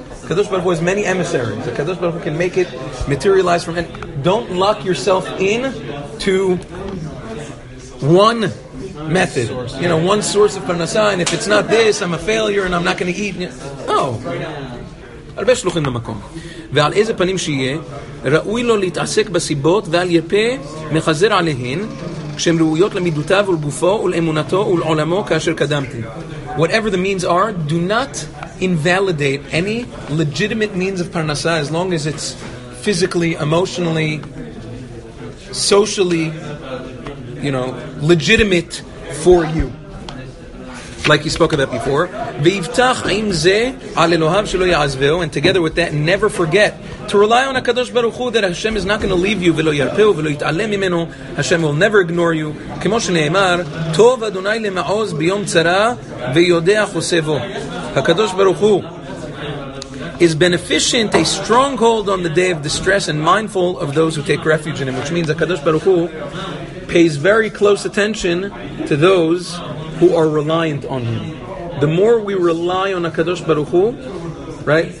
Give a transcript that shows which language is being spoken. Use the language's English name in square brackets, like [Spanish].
[English] Kadosh Baruch Hu has many emissaries. The Kadosh Baruch Hu can make it materialize from, and don't lock yourself in to one method. You know, one source of parnasa, and if it's not this, I'm a failure and I'm not gonna eat. [Hebrew] No. Harbe shluchim lamakom. ועל איזה פנים שיהיה, ראוי לו להתעסק בסיבות ועל יפה מחזר עליהן, שהם ראויות למידותיו ולגופו ולאמונתו ולעולמו כאשר קדמתי. [English] Whatever the means are, do not invalidate any legitimate means of parnasa as long as it's physically, emotionally, socially, you know, legitimate for you. Like you spoke about before. [Hebrew] ויבטח עם זה על אלוהיו שלא יעזבו, [English] and together with that, never forget to rely on הקדוש ברוך הוא that Hashem is not going to leave you [Hebrew] ולא ירפאו ולא יתעלם ממנו. [English] Hashem will never ignore you. [Hebrew] כמו שנאמר, טוב אדוני למעוז ביום צרה ויודע חוסבו. [English] הקדוש ברוך הוא is beneficent, a stronghold on the day of distress and mindful of those who take refuge in him, which means הקדוש ברוך הוא pays very close attention to those who are reliant on him. The more we rely on HaKadosh Baruch Hu, right?